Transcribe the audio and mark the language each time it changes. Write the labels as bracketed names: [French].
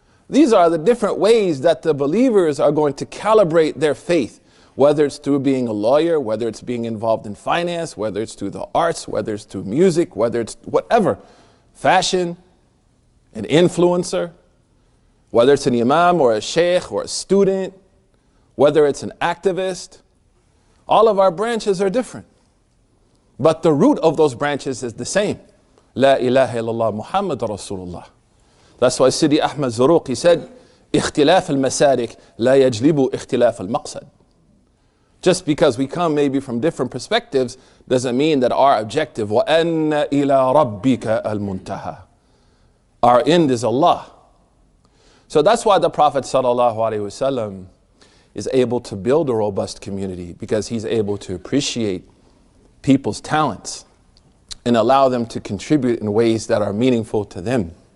[English] These are the different ways that the believers are going to calibrate their faith, whether it's through being a lawyer, whether it's being involved in finance, whether it's through the arts, whether it's through music, whether it's whatever, fashion, an influencer, whether it's an imam or a sheikh or a student, whether it's an activist. All of our branches are different. But the root of those branches is the same. [Arabic] La ilaha illallah Muhammad Rasulullah. [English] That's why Sidi Ahmad Zuruq, he said, [Arabic] اختلاف المسارك لا يجلب اختلاف المقصد. [English] Just because we come maybe from different perspectives doesn't mean that our objective, [Arabic] وَأَنَّ إِلَىٰ رَبِّكَ الْمُنْتَهَىٰ. [English] Our end is Allah. So that's why the Prophet Sallallahu Alaihi Wasallam is able to build a robust community, because he's able to appreciate people's talents and allow them to contribute in ways that are meaningful to them.